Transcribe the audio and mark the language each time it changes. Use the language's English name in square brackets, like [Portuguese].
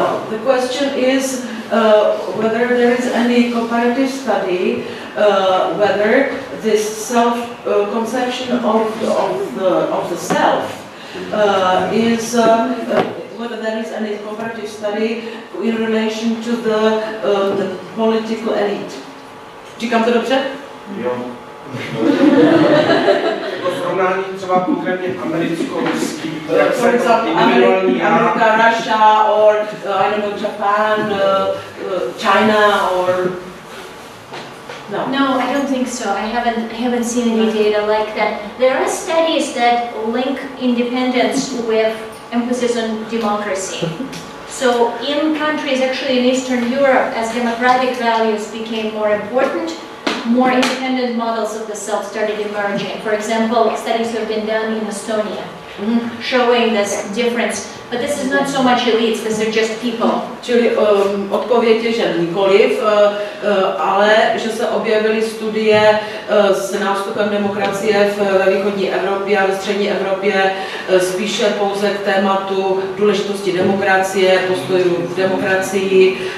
[English] The question is whether there is any comparative study whether this self conception of the self is whether there is any comparative study in relation to the political elite. [Czech] Říkám to dobře? Jo. Srovnání třeba konkrétně americko-ruský, [English] Amerika, Russia, or I don't know, Japan, China, or no. No, I don't think so. I haven't seen any data like that. There are studies that link independence with emphasis on democracy. So in countries, actually in Eastern Europe, as democratic values became more important, more independent models of the self started emerging. For example, studies have been done in Estonia showing this difference. But this is not so much elites, these are just people. [Czech] Čili odpověď je, že nikoliv, ale že se objevily studie s nástupem demokracie ve východní Evropě a ve střední Evropě spíše pouze k tématu důležitosti demokracie, postojů v demokracii.